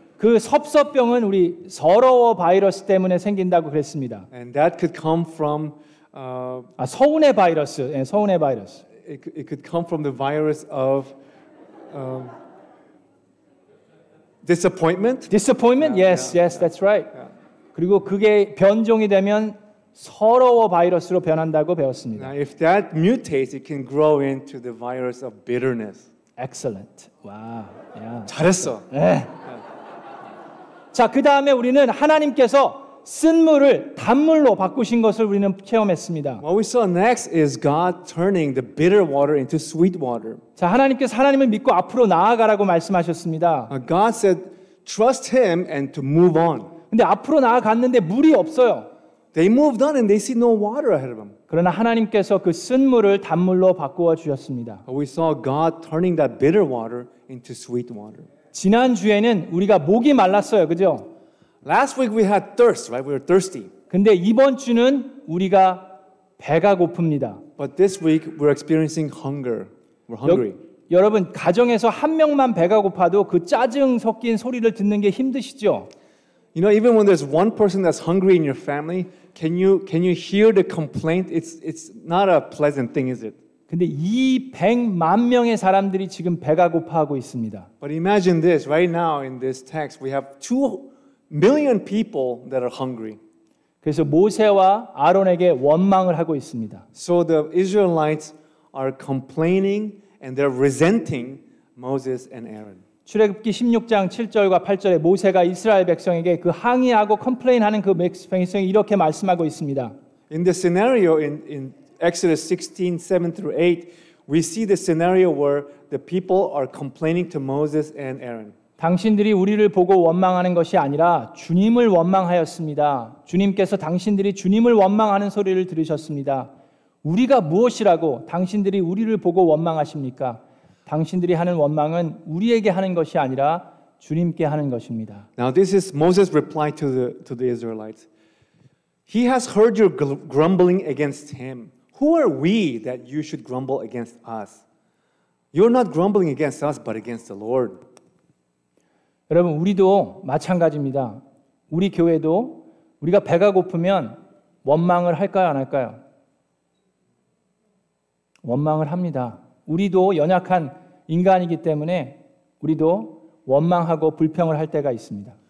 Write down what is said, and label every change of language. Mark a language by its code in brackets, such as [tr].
[ko] 그 섭섭병은 우리 서러워 바이러스 때문에 생긴다고 그랬습니다. [en] And that could come from [ko] 서운의 바이러스. 예, 서운의 바이러스. [en] It could come from the virus of disappointment. Disappointment? Yeah, yes, yeah, yes, yeah. That's right. Yeah. [ko] 그리고 그게 변종이 되면 서러워 바이러스로 변한다고 배웠습니다. [en] Now, if that mutates, it can grow into the virus of bitterness. Excellent. Wow. Yeah. [ko] 잘했어. 네. 자, 그 다음에 우리는 하나님께서 쓴물을 단물로 바꾸신 것을 우리는 체험했습니다. [en] What we saw next is God turning the bitter water into sweet water. [ko] 자, 하나님께서 하나님을 믿고 앞으로 나아가라고 말씀하셨습니다. [en] God said, trust him and to move on. [ko] 근데 앞으로 나아갔는데 물이 없어요. [en] They moved on and they see no water ahead of them. [ko] 그러나 하나님께서 그 쓴물을 단물로 바꾸어 주셨습니다. [en] But we saw God turning that bitter water into sweet water. [ko] 지난주에는 우리가 목이 말랐어요. 그죠? [en] Last week we had thirst, right? We were thirsty. [ko] 근데 이번 주는 우리가 배가 고픕니다. [en] But this week we're experiencing hunger. We're hungry. [ko] 여러분, 가정에서 한 명만 배가 고파도 그 짜증 섞인 소리를 듣는 게 힘드시죠? [en] You know, even when there's one person that's hungry in your family, can you hear the complaint? It's not a pleasant thing, is it? [ko] 근데 이 100만 명의 사람들이 지금 배가 고파하고 있습니다. [en] But imagine this, right now in this text, we have 2 million people that are hungry. [ko] 그래서 모세와 아론에게 원망을 하고 있습니다. [en] So the Israelites are complaining and they're resenting Moses and Aaron. [ko] 출애굽기 16장 7절과 8절에 모세가 이스라엘 백성에게 그 항의하고 컴플레인하는 그 백성이 이렇게 말씀하고 있습니다. [en] In the scenario in Exodus 16, 7 through 8, we see the scenario where the people are complaining to Moses and Aaron. [ko] 당신들이 우리를 보고 원망하는 것이 아니라 주님을 원망하였습니다. 주님께서 당신들이 주님을 원망하는 소리를 들으셨습니다. 우리가 무엇이라고 당신들이 우리를 보고 원망하십니까? 당신들이 하는 원망은 우리에게 하는 것이 아니라 주님께 하는 것입니다. [en] Now this is Moses' reply to the Israelites. He has heard your grumbling against him. Who are we that you should grumble against us? You're not grumbling against us, but against the Lord. [ko] 여러분, 우리도 마찬가지입니다. 우리 교회도 우리가 배가 고프면 원망을 할까요, 안 할까요? 원망을 합니다. 우리도 연약한 인간이기 때문에 우리도 원망하고 불평을 할 때가 있습니다.